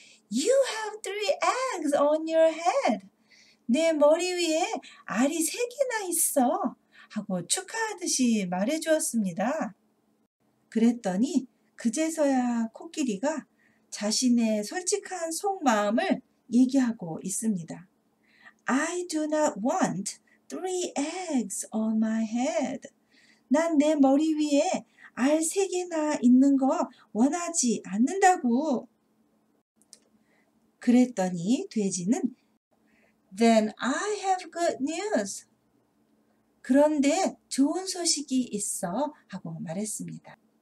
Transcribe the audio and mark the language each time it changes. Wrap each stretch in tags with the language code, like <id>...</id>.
<en>You have three eggs on your head.</en> <ko>내 머리 위에 알이 세 개나 있어. 하고 축하하듯이 말해주었습니다. 그랬더니 그제서야 코끼리가 자신의 솔직한 속마음을 얘기하고 있습니다.</ko> <en>I do not want three eggs on my head.</en> <ko>난내 머리 위에 알세 개나 있는 거 원하지 않는다고. 그랬더니 돼지는</ko> <en>Then I have good news.</en> <ko>그런데 좋은 소식이 있어 하고 말했습니다.</ko>